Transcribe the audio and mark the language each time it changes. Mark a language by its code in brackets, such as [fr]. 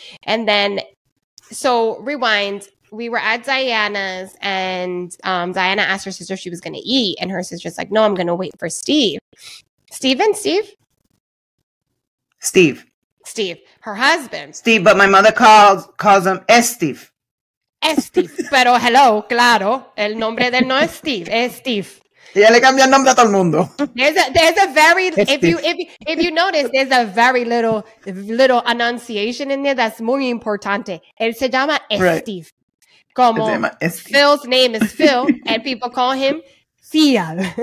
[en] And then, so rewind. We were at Diana's and Diana asked her sister if she was going to eat. And her sister's like, no, I'm going to wait for Steve. Steve, her husband. Steve, but my mother calls him Steve. [es] Steve, pero [en] hello, [es] claro. El nombre de no es Steve, es Steve. Ya le cambia el nombre a todo el mundo. [en] There's a very, if you notice, there's a very little enunciation in there that's [es] muy importante. Él se llama Steve. [en] Right. Como Phil's name is Phil, and people call him Phil.